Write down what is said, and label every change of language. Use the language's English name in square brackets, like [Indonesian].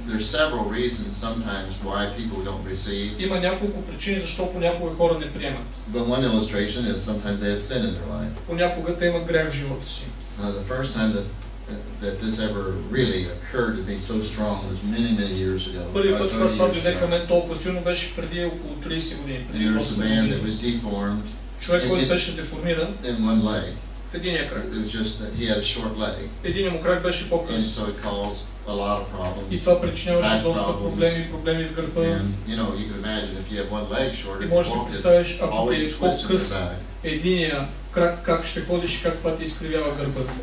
[English] There's several reasons sometimes why people don't receive. [Bulgarian] Има няколко причини защо понякога хора не приемат. [English] But one illustration is sometimes they have sin in their life. [Bulgarian] Понякога те имат грех в живота си. [English] The first time that this ever really occurred to me so strong was many years ago. [Bulgarian] Първият път, когато дойде към мен толкова силно, беше преди около 30 години. [English] There was a man that was deformed. [Bulgarian] Човек, който беше деформиран. [English] In one leg. [Bulgarian] В единия крак. [English] It was just that he had a short leg. [Bulgarian] Единият му крак беше по-къс. [English] And so it caused a lot of problems. [Bulgarian] И това причиняваше доста проблеми в гърба. [English] And you can imagine if you have one leg shorter. [Bulgarian] И можеш да си представиш, ако ти е по-къс единия крак, как ще ходиш и как това ти изкривява гърба.